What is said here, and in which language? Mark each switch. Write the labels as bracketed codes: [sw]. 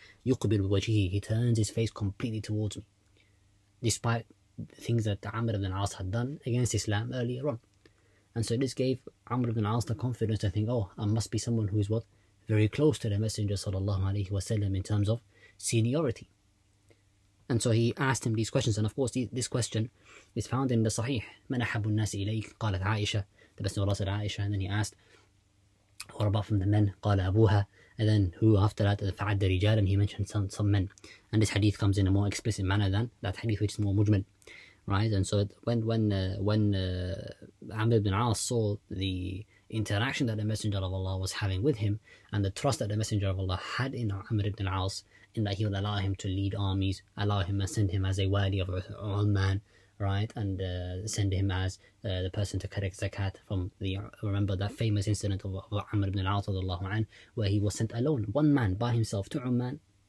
[ar] يُقْبِلْ بِوَجْهِهِ. [en] He turns his face completely towards me. Despite things that Amr ibn al-As had done against Islam earlier on. And so this gave Amr ibn al-As the confidence to think, oh, I must be someone who is what? Very close to the Messenger sallallahu alayhi wa sallam in terms of seniority. And so he asked him these questions. And of course, this question is found in the Sahih. [ar] من أحب الناس إليك؟ قالت عائشة. [en] The best of Allah said عائشة. And then he asked, what about from the men? [ar] قال أبوها. [en] And then who after that? [ar] فعد رجال. [en] And he mentioned some men. And this hadith comes in a more explicit manner than that hadith, which is more مجمل. Right? And so when Amr ibn al-As saw the interaction that the Messenger of Allah was having with him, and the trust that the Messenger of Allah had in Amr ibn al-As, in that he would allow him to lead armies, allow him and send him as a wali of Uthman, right, and send him as the person to collect zakat from the, remember that famous incident of Amr ibn al-As radiallahu anhu, where he was sent alone, one man, by himself to Uthman,